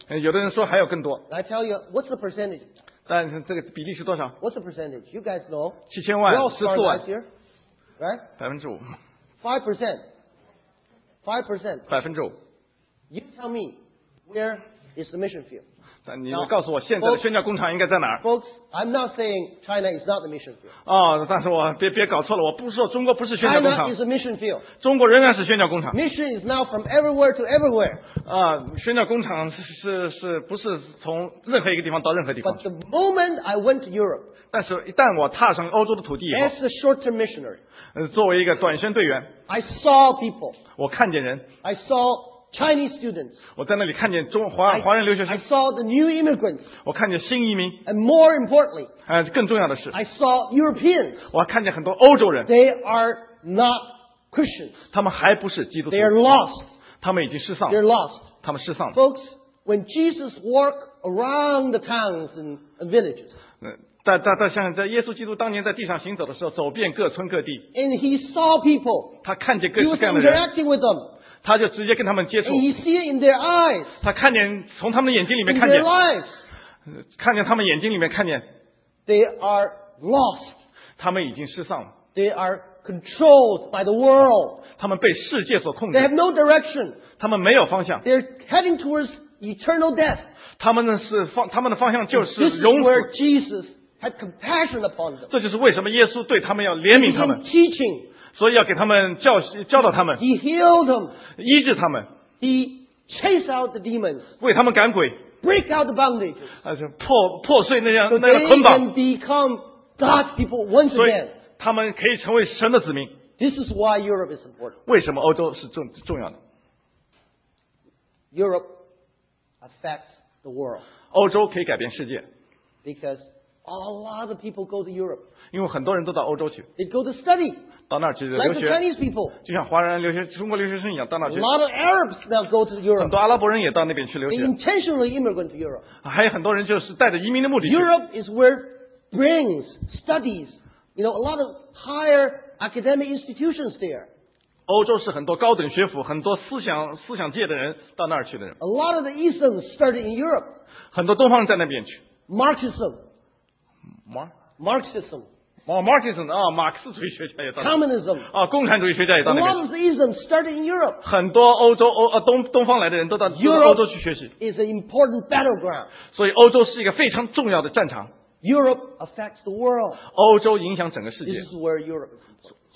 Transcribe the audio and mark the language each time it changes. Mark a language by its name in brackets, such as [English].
[Chinese] 有的人说还有更多。 [English] I tell you, what's the percentage? [Chinese] 但是这个比例是多少 [English] ？What's the percentage? You guys know. [Chinese] 7000万，14万。 [English] We all start last year, right? [Chinese] 5%。 [English] 5%. 5%. [Chinese] 5%。 [English] You tell me, where is the mission field? [Chinese] 你告诉我现在的宣教工厂应该在哪儿 [English] ？Folks, I'm not saying China is not the mission field. [Chinese] 哦，但是我别搞错了，我不是说中国不是宣教工厂。 [English] China is a mission field. [Chinese] 中国仍然是宣教工厂。 [English] Mission is now from everywhere to everywhere. [Chinese] 啊，宣教工厂是不是从任何一个地方到任何地方 [English] ？But the moment I went to Europe. [Chinese] 但是一旦我踏上欧洲的土地以后 [English] ，as a short-term missionary. [Chinese] 作为一个短宣队员 [English] ，I saw people. [Chinese] 我看见人。 [English] I saw. Chinese students. [Chinese] 我在那里看见中华人留学生。 [English] I saw the new immigrants. [Chinese] 我看见新移民。 [English] And more importantly, [Chinese] 更重要的是 [English] ，I saw Europeans. [Chinese] 我看见很多欧洲人。 [English] They are not Christians. [Chinese] 他们还不是基督徒。 [English] They are lost. [Chinese] 他们已经失丧。 [English] They're lost. [Chinese] 他们失丧。 [English] Folks, when Jesus walked around the towns and villages, [Chinese] 但像在耶稣基督当年在地上行走的时候，走遍各村各地。 [English] And he saw people. [Chinese] 他看见各式各样的人。 [English] He was interacting with them. [Chinese] 他就直接跟他们接触 [English] he see in their eyes, [Chinese] 他看见从他们的眼睛里面看见 [English] lives, [Chinese] 看见他们眼睛里面看见 [English] they are lost, [Chinese] 他们已经失丧了 [English] they are controlled by the world, [Chinese] 他们被世界所控制 [English] they have no direction, [Chinese] 他们没有方向 [English] they are heading towards eternal death, [Chinese] 他们的方向就是 [English] 永死 this is where Jesus had compassion upon them, [Chinese] 这就是为什么耶稣对他们要怜悯他们 [English] he began teaching, [Chinese] 所以要给他们教导他们 [English] He healed them. [Chinese] 医治他们 [English] He chased out the demons. [Chinese] 为他们赶鬼 [English] Break out the bondage. [Chinese] 破碎那样、so、那个捆绑 [English] They can become God's people once again. [Chinese] 他们可以成为神的子民 [English] This is why Europe is important. [Chinese] 为什么欧洲是重要的 [English] Europe affects the world. [Chinese] 欧洲可以改变世界 [English] Because a lot of people go to Europe. [Chinese] 因为很多人都到欧洲去 [English] They go to study. [Chinese] 到那儿去留学，就像华人留学、中国留学生一样，到那儿去。 [English] A lot of Arabs now go to Europe. [Chinese] 很多阿拉伯人也到那边去留学。 [English] They intentionally immigrate to Europe. [Chinese] 还有很多人就是带着移民的目的去。 [English] Europe is where brings studies. You know, a lot of higher academic institutions there. [Chinese] 欧洲是很多高等学府、很多思想界的人到那儿去的人。 [English] A lot of the Eastern started in Europe. [Chinese] 很多东方人在那边去。 [English] Marxism. Marxism. [Chinese] Marxism 啊，马克思主义学家也到。 [English] Communism [Chinese] 啊，共产主义学家也到那边。 [English] A lot of the Eastern started in Europe. [Chinese] 很多欧洲东方来的人都到欧洲去学习。 [English] Europe is an important battleground. [Chinese] 所以欧洲是一个非常重要的战场。 [English] Europe affects the world. [Chinese] 欧洲影响整个世界。 [English] This is where Europe is important.